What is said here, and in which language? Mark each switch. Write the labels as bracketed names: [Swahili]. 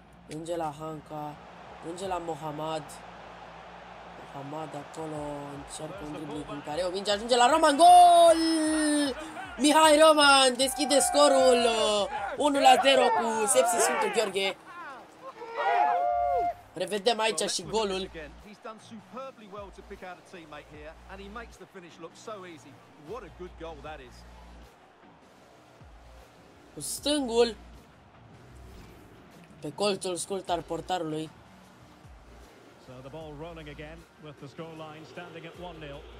[Romanian] Ajunge la Hanca, ajunge la Mohamed. Mohamed acolo încearcă un dribbling prin care o minge, ajunge la Roman, gol! Mihai Roman deschide scorul 1-0 cu Sepsi Sfântul Gheorghe. Revedem aici și golul. [English] Done superbly well to pick out a teammate here, and he makes the finish look so easy. What a good goal that is. [Romanian] Cu stângul pe colțul scurt al portarului. [English] So the ball rolling again with the scoreline standing at 1-0.